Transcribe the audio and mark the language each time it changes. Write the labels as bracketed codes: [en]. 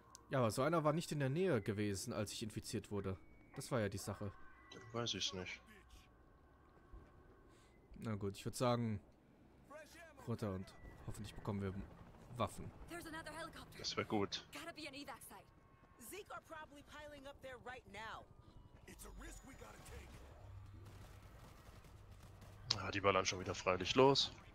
[de] Ja, aber so einer war nicht in der Nähe gewesen, als ich infiziert wurde. Das war ja die Sache. Weiß ich's nicht. Na gut, ich würde sagen, runter und hoffentlich bekommen wir Waffen. Das wäre gut. [en] Gotta be an evac site. Zeke are probably piling up there right now. It's a risk we gotta take. [de] Ah, die ballern schon wieder freilich los.